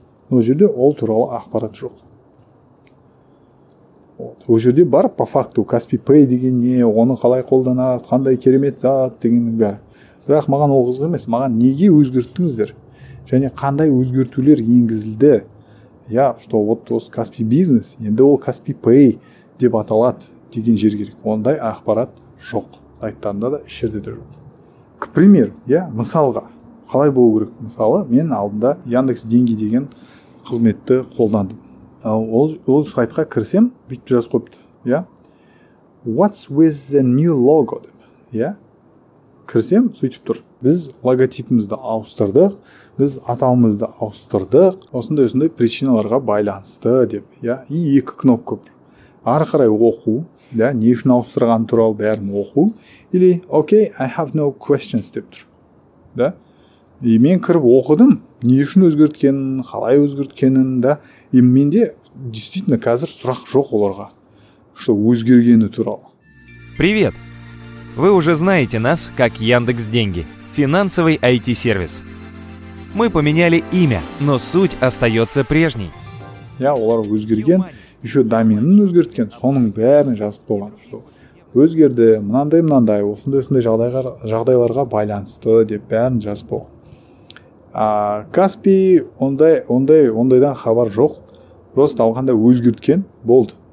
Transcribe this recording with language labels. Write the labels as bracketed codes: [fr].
[kk] Ол жерде ол туралы ақпарат жоқ. Ол жерде бар [ru] по факту [kk] Каспи Пэй деген не, оны қалай қолданады, қандай керемет зат дегеннің бәрі. Бірақ маған ол қызық емес, маған неге өзгерттіңіздер? Және қандай өзгертулер енгізілді? [ru] Я, что вот [kk] осы Каспи Бизнес, енді ол Каспи Пэй деп аталады деген жер керек. Ондай ақпарат жоқ. Сайттарында да, еш жерде де жоқ. [ru] К пример, я, [kk] мысалға, қалай болу керек? Мысалы, мен алдында Яндекс деньги деген қызметті қолдандым. Ол сайтқа кірсем, бүйтіп жазып қойыпты, иә? [en] What's with the new logo? [kk] Иә? Кірсем, сөйтіп тұр. Біз логотипімізді ауыстырдық, біз атауымызды ауыстырдық, осындай причиналарға байланысты деп, иә? И екі кнопка бар. Ары қарай оқу, да, не үшін ауыстырған туралы бәрін оқу, или [en] okay, I have no questions [kk] деп тұр. Да? И мен кіріп оқыдым, не үшін өзгерткенін, қалай өзгерткенін, да, и менде действительно қазір сұрақ жоқ оларға, что өзгергені туралы. [ru] Привет! Вы уже знаете нас как Яндекс.Деньги, финансовый IT-сервис. Мы поменяли имя, но суть остается прежней. [kk] Я олар өзгерген, еще доменін өзгерткен, соның бәрін жазып болған, что өзгерді, мынандай, осындай жағдайларға байланысты деп бәрін жазып болған. Каспи ондайдан хабар жоқ. Просто алғанда өзгерткен болды.